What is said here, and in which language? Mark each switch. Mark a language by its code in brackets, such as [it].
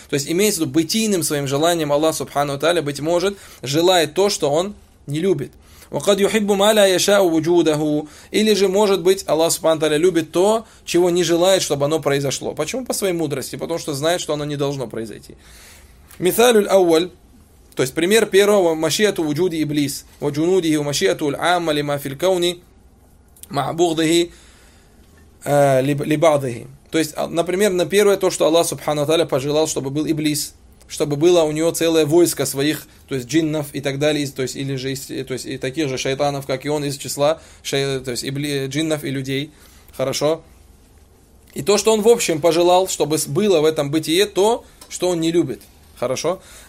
[ru] То есть, имеется в виду бытийным своим желанием Аллах Субхану Таля, быть может, желает то, что он не любит. [ar] وقد يحب ما لا يشاء وجوده [ru] или же, может быть, Аллах Субхану Таля любит то, чего не желает, чтобы оно произошло. Почему? По своей мудрости, потому что знает, что оно не должно произойти. [ar] مثال الاول, [ru] то есть пример первого, [ar] مشيئة وجود ابليس وجنوده ومشيئة العامة لما في الكون مع بغضه لبعضه. [ru] То есть, например, на первое то, что Аллах Субхану Таля пожелал, чтобы был иблис, чтобы было у него целое войско своих, то есть джиннов и так далее, то есть, или же, то есть, и таких же шайтанов, как и он, из числа то есть, и джиннов и людей. Хорошо. И то, что он в общем пожелал, чтобы было в этом бытие то, что он не любит. Хорошо.